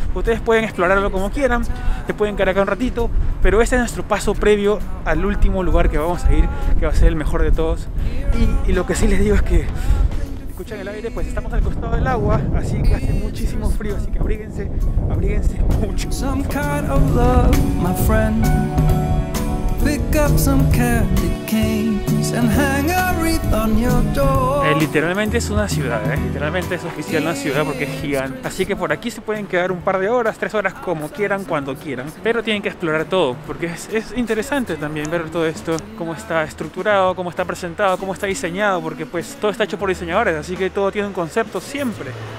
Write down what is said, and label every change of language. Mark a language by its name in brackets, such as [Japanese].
[Spanish] Ustedes pueden explorarlo como quieran, se pueden quedar acá un ratito, pero este es nuestro paso previo al último lugar que vamos a ir, que va a ser el mejor de todos. Y lo que sí les digo es que, escuchan el aire, pues estamos al costado del agua, así que hace muchísimo frío, así que abríguense mucho. [English] Some kind of love, my friend. Pick up some candy canes and hang a wreath [Spanish] Literalmente es una ciudad, ¿eh? Literalmente es oficial una ciudad porque es gigante. Así que por aquí se pueden quedar un par de horas, tres horas, como quieran, cuando quieran. Pero tienen que explorar todo, porque es interesante también ver todo esto, cómo está estructurado, cómo está presentado, cómo está diseñado, porque pues todo está hecho por diseñadores, así que todo tiene un concepto siempre.